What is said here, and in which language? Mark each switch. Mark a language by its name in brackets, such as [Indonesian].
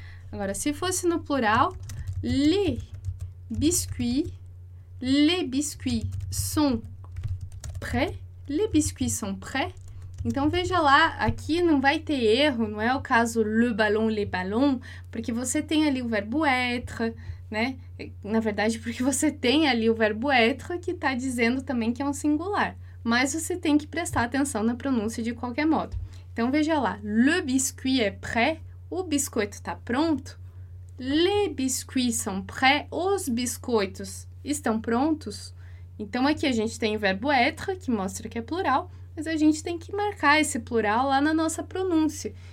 [Portuguese] Agora, se fosse no plural, [French] les biscuits sont prêts, les biscuits sont prêts. [Portuguese] Então, veja lá, aqui não vai ter erro, não é o caso [French] le ballon, les ballons, [Portuguese] porque você tem ali o verbo être, né? Na verdade, porque você tem ali o verbo être que está dizendo também que é um singular. Mas você tem que prestar atenção na pronúncia de qualquer modo. Então, veja lá. [French] Le biscuit est prêt. [Portuguese] O biscoito está pronto. [French] Les biscuits sont prêts. [Portuguese] Os biscoitos estão prontos. Então, aqui a gente tem o verbo être, que mostra que é plural, mas a gente tem que marcar esse plural lá na nossa pronúncia.